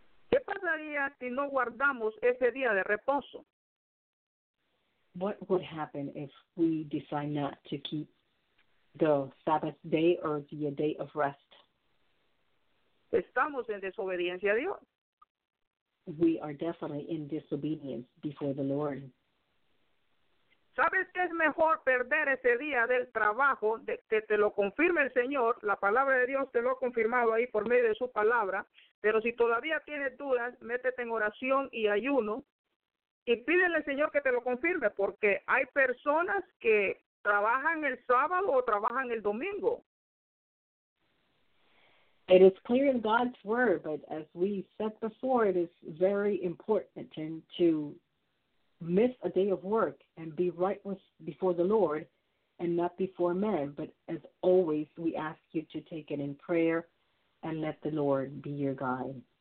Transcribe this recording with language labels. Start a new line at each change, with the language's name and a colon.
Spanish: ¿Qué pasaría si no guardamos ese día de reposo?
English: What would happen if we decide not to keep the Sabbath day or the day of rest?
Spanish: Estamos en desobediencia a Dios.
English: We are definitely in disobedience before the Lord.
Spanish: ¿Sabes qué es mejor perder ese día del trabajo, que te lo confirme el Señor? La palabra de Dios te lo ha confirmado ahí por medio de su palabra. Pero si todavía tienes dudas, métete en oración y ayuno. Y pídele al Señor que te lo confirme, porque hay personas que trabajan el sábado o trabajan el domingo.
English: It is clear in God's word, but as we said before, it is very important to miss a day of work and be right before the Lord and not before men. But as always, we ask you to take it in prayer and let the Lord be your guide.